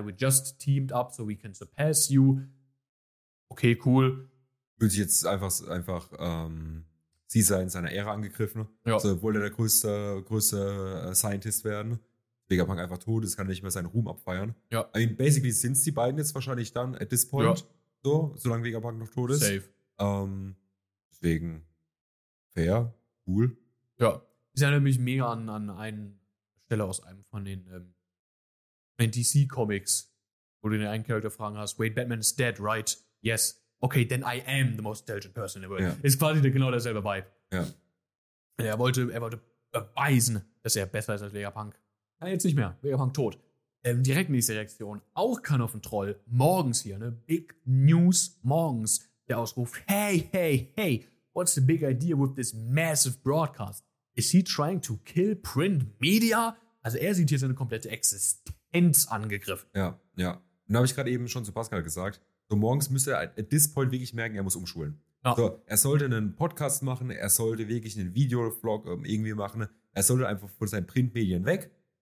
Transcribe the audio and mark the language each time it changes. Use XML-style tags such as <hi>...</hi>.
<en>We just teamed up so we can surpass you. Okay, cool.</en> <de>Fühlt sich jetzt einfach Caesar in seiner Ära angegriffen. Ja. So, wollte er der größte Scientist werden. Vegapunk einfach tot, es kann nicht mehr seinen Ruhm abfeiern. Ja.</de> <en>I mean, basically</en> <de>sind es die beiden jetzt wahrscheinlich dann</de> <en>at this point.</en> <de>Ja. So, solange Vegapunk noch tot ist. Safe. Deswegen fair, cool. Ja. Ist ja nämlich mega an einen Stelle aus einem von den DC-Comics, wo du den einen Charakter fragen hast,</de> <en>wait, Batman is dead, right? Yes. Okay, then I am the most intelligent person in the world.</en> <de>Ja. Ist quasi genau derselbe Vibe. Ja. Er wollte beweisen, dass er besser ist als Vegapunk. Ja, jetzt nicht mehr. Vegapunk tot. Direkt nächste Reaktion. Auch kein auf den Troll. Morgens hier, ne? Big News morgens. Der Ausruf,</de> <en>hey, hey, hey, what's the big idea with this massive broadcast? Is he trying to kill print media?</en> <de>Also er sieht hier seine komplette Existenz angegriffen. Ja, ja. Und da habe ich gerade eben schon zu Pascal gesagt, so, morgens müsste er</de> <en>at this point</en> <de>wirklich merken, er muss umschulen. Ja. So, er sollte einen Podcast machen, er sollte wirklich einen Videovlog irgendwie machen, er sollte einfach von seinen Printmedien weg.</de>